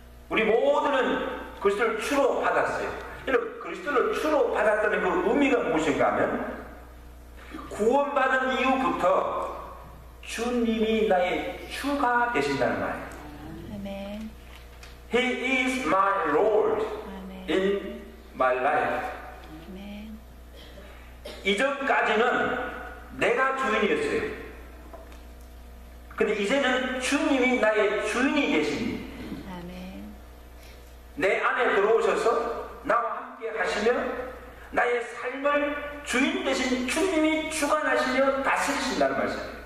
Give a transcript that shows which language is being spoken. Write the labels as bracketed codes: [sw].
[ko] 우리 모두는 그리스도를 주로 받았어요. 이런 그리스도를 주로 받았다는 그 의미가 무엇인가 하면 구원받은 이후부터 주님이 나의 주가 되신다는 말이에요. 아멘. [en] He is my Lord 아멘. in my life. [ko] 이전까지는 내가 주인이었어요. 근데 이제는 주님이 나의 주인이 계십니다. 아멘. 내 안에 들어오셔서 나와 함께 하시며 나의 삶을 주인 되신 주님이 주관하시며 다스리신다는 말씀입니다.